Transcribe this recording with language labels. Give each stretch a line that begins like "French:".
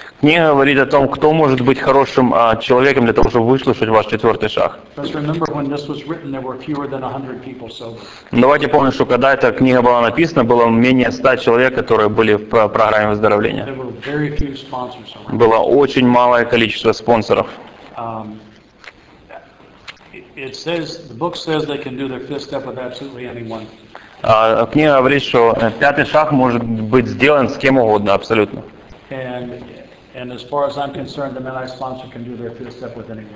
Russian: Книга говорит о том, кто может быть хорошим человеком для того, чтобы выслушать ваш четвертый шаг.
English: Just remember when this was written, there were fewer than 100 people sober.
Russian: Давайте помним, что когда эта книга была написана, было менее 100 человек, которые были в программе выздоровления.
English: There were very few sponsors.
Russian: Было очень малое количество спонсоров.
English: It says the book says they can do their fifth step with absolutely anyone.
Russian: Книга говорит, что пятый шаг может быть сделан с кем угодно, абсолютно.
English: And as far as I'm concerned, the men I sponsor can do their fifth step with anyone.